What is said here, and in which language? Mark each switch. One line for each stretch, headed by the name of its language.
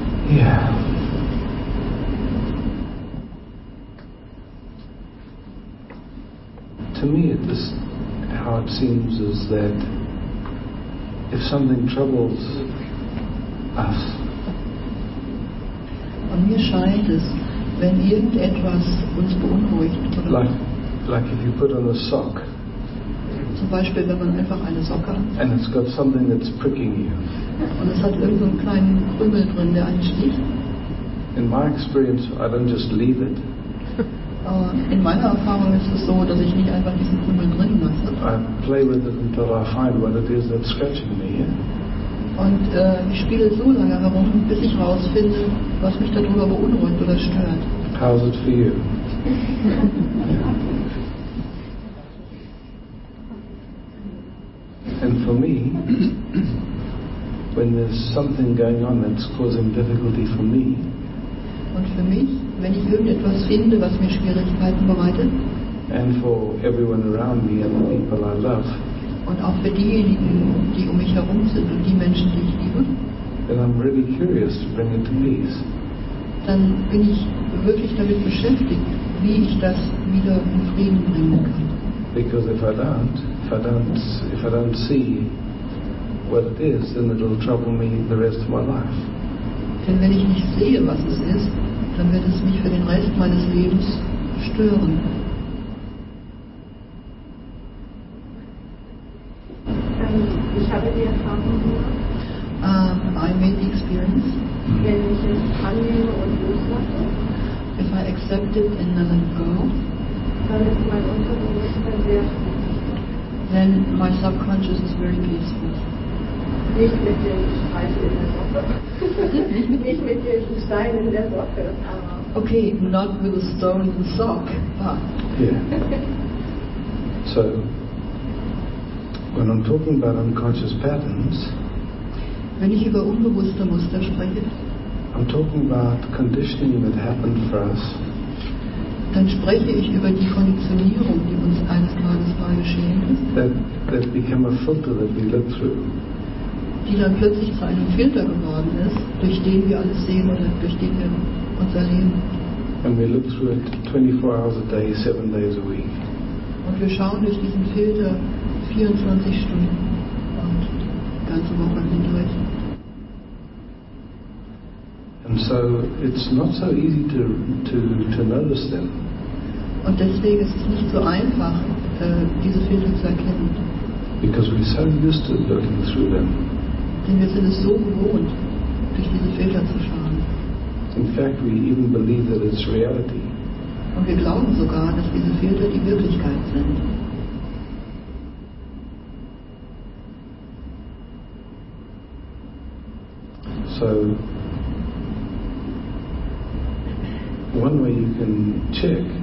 English: Yeah. To me, this, how it seems is that if something troubles us,
German: an mir scheint es, wenn irgendetwas uns beunruhigt, oder
English: like if you put on a sock,
German: zum Beispiel wenn man einfach eine Socke,
English: and it's got something that's pricking you,
German: und es hat irgendeinen kleinen Krümel drin, der einen sticht.
English: In my experience, I don't just leave it.
German: In meiner Erfahrung ist es so, dass ich nicht einfach diesen Krümel drin lasse.
English: I play with it until I find what it is that's scratching me.
German: Und ich spiele so lange herum, bis ich rausfinde, was mich darüber beunruhigt oder stört.
English: How's it for you? And for me, when there's something going on that's causing difficulty for me.
German: Und für mich, wenn ich irgendetwas finde, was mir Schwierigkeiten bereitet.
English: And for everyone around me and the people I love.
German: Und auch für diejenigen, die um mich herum sind und die Menschen, die ich liebe.
English: Then I'm really curious to bring it to peace.
German: Dann bin ich wirklich damit beschäftigt, wie ich das wieder in Frieden bringen kann.
English: Because if I don't see what it is, then it'll trouble me the rest of my life.
German: Denn wenn ich nicht sehe, was es ist, dann wird es mich für den Rest meines Lebens stören. Ich habe die Erfahrung.
English: I made the experience.
German: Wenn ich es annehme und loslasse.
English: If I accept it and let it go.
German: Dann ist mein Unterbewusstsein sehr.
English: Then my subconscious is very peaceful.
German: Nicht mit dem Stein in der Socke. Nicht mit dem Stein in der Socke.
English: Okay, not with a stone in the sock. But. Yeah. So. When I'm talking about unconscious patterns,
German: wenn ich über unbewusste Muster spreche,
English: I'm talking about conditioning that happened for us.
German: Dann spreche ich über die Konditionierung, die uns eines Tages mal geschehen ist.
English: That became a filter that we look through.
German: Die dann plötzlich zu einem Filter geworden ist, durch den wir alles sehen oder durch den wir uns erleben.
English: And we look through it 24 hours a day, 7 days a week.
German: Und wir schauen durch diesen Filter 24 Stunden und die ganze Woche hindurch.
English: And so it's not so easy to notice them.
German: Und deswegen ist es nicht so einfach, diese Filter zu erkennen.
English: Because we're so used to looking through them.
German: Denn wir sind es so gewohnt, durch diese Filter zu schauen.
English: In fact, we even believe that it's reality.
German: Und wir glauben sogar, dass diese Filter die Wirklichkeit sind.
English: So, one way you can check.